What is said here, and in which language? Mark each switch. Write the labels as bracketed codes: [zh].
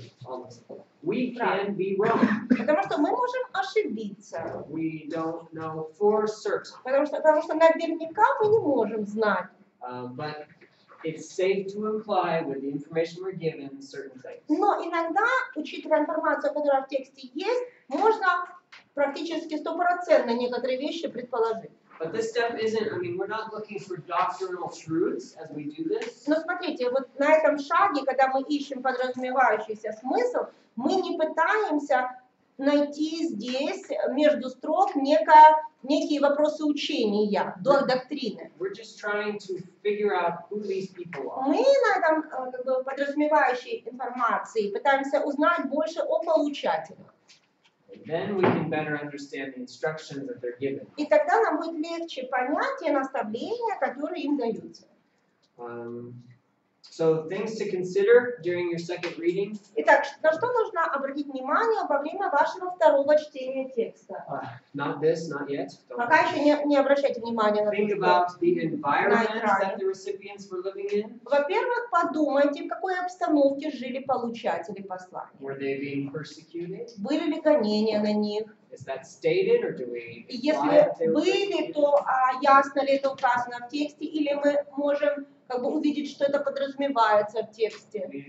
[ru] Потому что мы можем ошибиться. [en] We don't know for certain. [ru] Потому что наверняка мы не можем знать. [en] But it's safe to imply with the information we're given certain things. [ru] Но иногда, учитывая информацию, которая в тексте есть, можно практически 100% некоторые вещи предположить. [en] But this step isn't, I mean, we're not looking for doctrinal truths as we do this. [ru] Но смотрите, вот на этом шаге, когда мы ищем подразумевающийся смысл, мы не пытаемся найти здесь между строк некие вопросы учения, доктрины. [en] We're just trying to figure out who these people are. [ru] Мы на этом как бы подразумевающей информации пытаемся узнать больше о получателях. [en] Then we can better understand the instructions that they're given. [ru] И тогда нам будет легче понять те наставления, которые им даются. [en] So things to consider during your second reading. [ru] Итак, на что нужно обратить внимание во время вашего второго чтения текста? [en] Not this, not yet. Don't [ru] Пока еще не обращайте внимания на. [en] Think about the environment that the recipients were living in. [ru] Во-первых, подумайте, в какой обстановке жили получатели послания. [en] Were they being persecuted? [ru] Были ли гонения на них? [en] Is that stated, or do we imply? [ru] Если были, то ясно ли это указано в тексте, или мы можем как бы увидеть, что это подразумевается в тексте.